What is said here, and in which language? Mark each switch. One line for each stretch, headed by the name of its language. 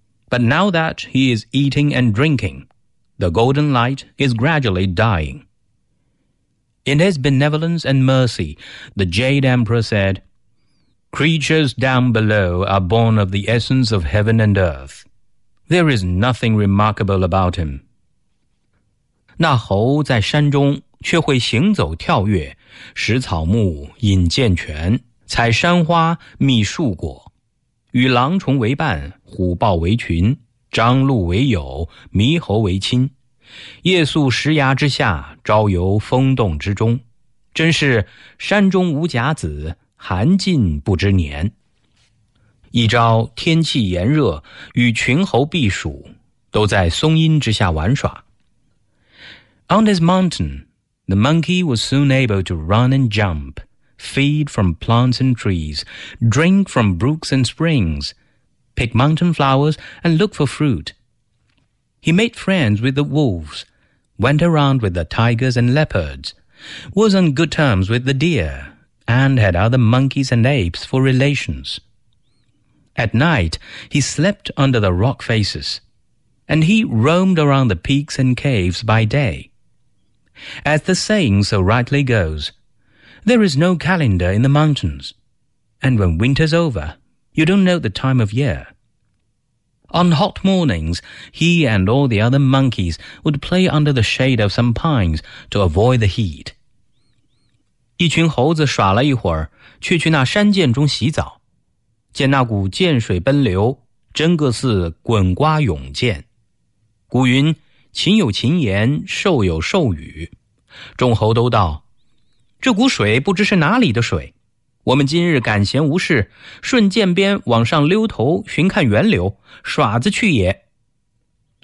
English: But now that he is eating and drinking, the golden light is gradually dying. In his benevolence and mercy, the Jade Emperor said, Creatures down below are born of the essence of heaven and earth. There is nothing remarkable about him.
Chinese: 那猴在山中却会行走跳跃，食草木，饮涧泉，采山花，觅树果，与狼虫为伴，虎豹为群，张鹿为友，猕猴为亲，夜宿石崖之下，朝游风洞之中，真是山中无甲子，寒尽不知年。一朝天气炎热，与群猴避暑，都在松荫之下玩耍。
English: On this mountain, the monkey was soon able to run and jump, feed from plants and trees, drink from brooks and springs, pick mountain flowers and look for fruit. He made friends with the wolves, went around with the tigers and leopards, was on good terms with the deer, and had other monkeys and apes for relations. At night, he slept under the rock faces, and he roamed around the peaks and caves by day. As the saying so rightly goes, there is no calendar in the mountains, and when winter's over, you don't know the time of year. On hot mornings, he and all the other monkeys would play under the shade of some pines to avoid the heat.
Chinese: 一群猴子耍了一会儿，却去那山涧中洗澡，见那股涧水奔流，真个似滚瓜涌涧。古云禽有禽言，兽有兽语。众猴都道：“这股水不知是哪里的水，我们今日赶闲无事，顺涧边往上溜头寻看源流，耍子去也。”